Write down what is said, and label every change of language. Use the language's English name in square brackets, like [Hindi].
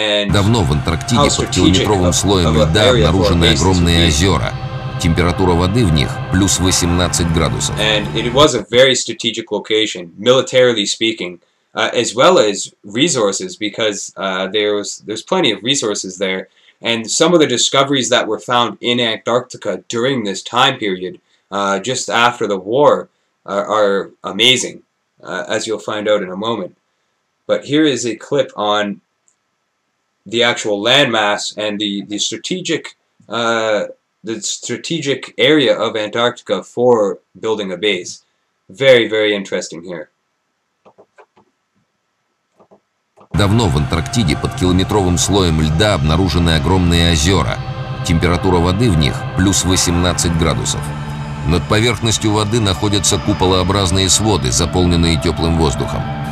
[Russian] Давно в Антарктиде под километровым слоем льда обнаружены огромные озера. Температура воды в них плюс 18 градусов. [English] And it was a very strategic location, militarily speaking, as well as resources, because there's plenty of resources there. And some of the discoveries that were found in Antarctica during this time period, just after the war, are amazing, as you'll find out in a moment. But here is a clip on the actual landmass and the strategic area of Antarctica for building a base. Very, very interesting here. [Russian] Давно в Антарктиде под километровым слоем льда обнаружены огромные озера. Температура воды в них плюс 18 градусов. Над поверхностью воды находятся куполообразные своды, заполненные теплым воздухом.